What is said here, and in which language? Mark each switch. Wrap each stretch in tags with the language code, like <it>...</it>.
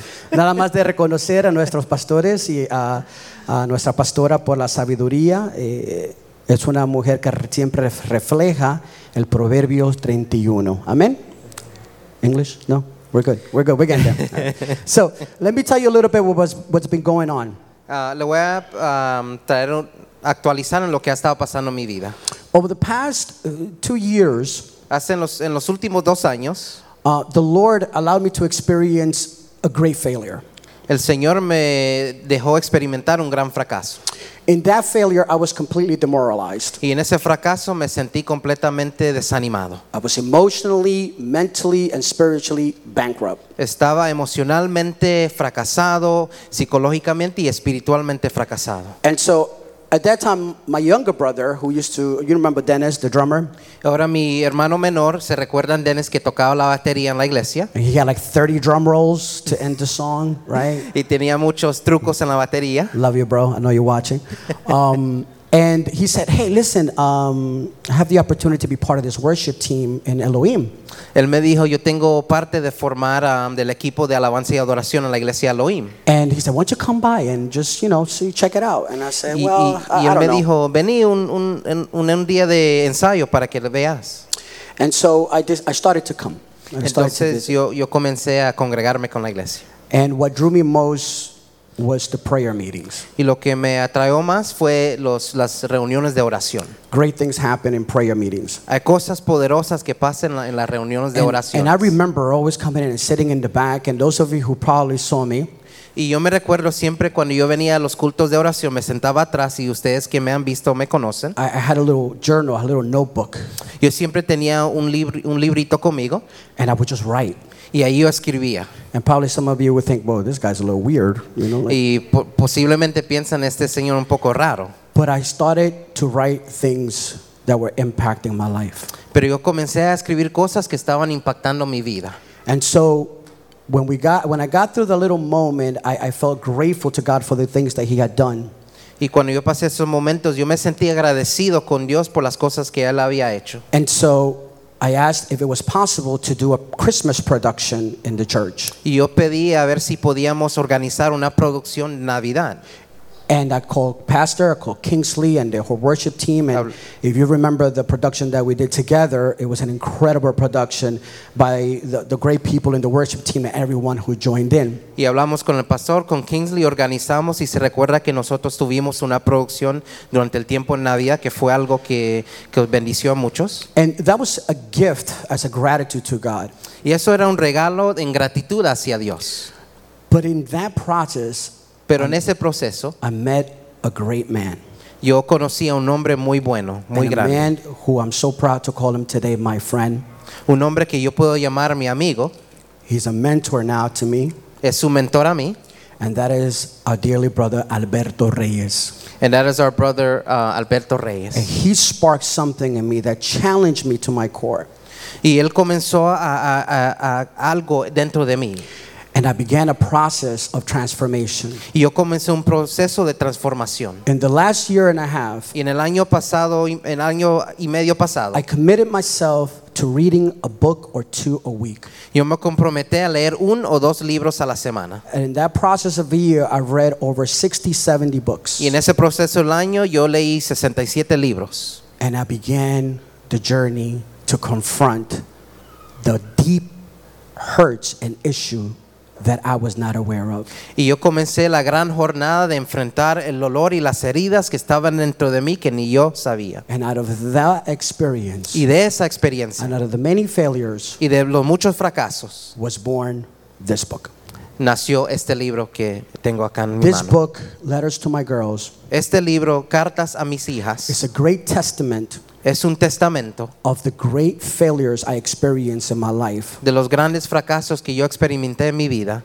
<es>Nada más de reconocer a nuestros pastores y a nuestra pastora por la sabiduría. Es una mujer que siempre refleja el Proverbio 31.</es> <en>Amén. English? No. We're good. We're good. We're getting there. So, let me tell you a little bit what's been going on.</en> <es>Le voy a traer actualizar en lo que ha estado pasando en mi vida.</es> <en>Over the past 2 years,</en> <es>en los últimos 2 años,</es> <en>The Lord allowed me to experience a great failure.</en> <es>El Señor me dejó experimentar un gran fracaso.</es> <en>In that failure, I was completely demoralized.</en> <es>Y en ese fracaso me sentí completamente desanimado.</es> <en>I was emotionally, mentally, and spiritually bankrupt.</en> <es>Estaba emocionalmente fracasado, psicológicamente y espiritualmente fracasado.</es> <en>And so, at that time, my younger brother, who used to, you remember Dennis, the drummer?</en> <es>Ahora mi hermano menor, ¿se recuerdan Dennis que tocaba la batería en la iglesia?</es> <en>And he had like 30 drum rolls to end the song, right?</en> <es>Y tenía muchos trucos en la batería.</es> <en>Love you, bro. I know you're watching. And he said, hey, listen, I have the opportunity to be part of this worship team in Elohim.</en> <es>Él me dijo, yo tengo parte de formar del equipo de alabanza y adoración en la iglesia Elohim.</es> <en>And he said, why don't you come by and just, you know, see, check it out. And I said, well, I don't know.</en> <es>Y él me dijo, vení un día de ensayo para que lo veas.</es> <en>And so I started to come.</en> <es>Entonces yo comencé a congregarme con la iglesia.</es> <en>And what drew me most was the prayer meetings.</en> <es>Y lo que me atrajo más fue las reuniones de oración.</es> <en>Great things happen in prayer meetings.</en> <es>Hay cosas poderosas que pasan en las reuniones de oración.</es> <en>And I remember always coming in and sitting in the back, and those of you who probably saw me.</en> <es>Y yo me recuerdo siempre cuando yo venía a los cultos de oración, me sentaba atrás y ustedes que me han visto me conocen.</es> <en>I had a little journal, a little notebook.</en> <es>Yo siempre tenía un librito conmigo.</es> <en>And I would just write.</en> <es>Y ahí yo escribía.</es> <en>And probably some of you would think, well, this guy's a little weird, you know?</en> <es>Y posiblemente piensan este señor un poco raro.</es> <en>But I started to write things that were impacting my life.</en> <es>Pero yo comencé a escribir cosas que estaban impactando mi vida.</es> <en>And so when I got through the little moment, I felt grateful to God for the things that he had done.</en> <es>Y cuando yo pasé esos momentos, yo me sentí agradecido con Dios por las cosas que él había hecho.</es> <en>And so I asked if it was possible to do a Christmas production in the church.</en> <es>Y yo pedí a ver si podíamos organizar una producción Navidad.</es> <en>And I called Pastor, I called Kingsley and the whole worship team. And if you remember the production that we did together, it was an incredible production by the great people in the worship team and everyone who joined in.</en> <es>Y hablamos con el pastor, con Kingsley, organizamos y se recuerda que nosotros tuvimos una producción durante el tiempo en Navidad que fue algo que bendició a muchos.</es> <en>And that was a gift as a gratitude to God.</en> <es>Y eso era un regalo en gratitud hacia Dios.</es> <en>But in that process,</en> <es>pero en ese proceso,</es> <en>I met a great man.</en> <es>Yo conocí a un hombre muy bueno, muy</es> <en>and</en> <es>grande.</es> <en>A man who I'm so proud to call him today my friend.</en> <es>Un hombre que yo puedo llamar mi amigo.</es> <en>He's a mentor now to me.</en> <es>Es un mentor a mí.</es> <en>And that is our dearly brother Alberto Reyes. And that is our brother Alberto Reyes. And he sparked something in me that challenged me to my core.</en> <es>Y él comenzó a algo dentro de mí.</es> <en>And I began a process of transformation.</en> <es>Y yo comencé un proceso de transformación.</es> <en>In the last year and a half,</en> <es>y en el año pasado, en año y medio pasado,</es> <en>I committed myself to reading a book or two a week.</en> <es>Yo me comprometí a leer un o dos libros a la semana.</es> <en>And in that process of a year, I read over 60-70 books.</en> <es>Y en ese proceso del año, yo leí 67 libros.</es> <en>And I began the journey to confront the deep hurts and issue that I was not aware of.</en> <es>Y yo comencé la gran jornada de enfrentar el dolor y las heridas que estaban dentro de mí que ni yo sabía.</es> <en>And out of that experience,</en> <es>y de esa experiencia,</es> <en>and out of the many failures,</en> <es>y de los muchos fracasos,</es> <en>was born this book.</en> <es>Nació este libro que tengo acá en mi mano.</es> <en>This book, Letters to My Girls,</en> <es>este libro, Cartas a Mis Hijas,</es> <en>is a great testament.</en> <es>Es un testamento</es> <en>of the great failures I experienced in my life.</en> <es>De los grandes fracasos que yo experimenté en mi vida.</es>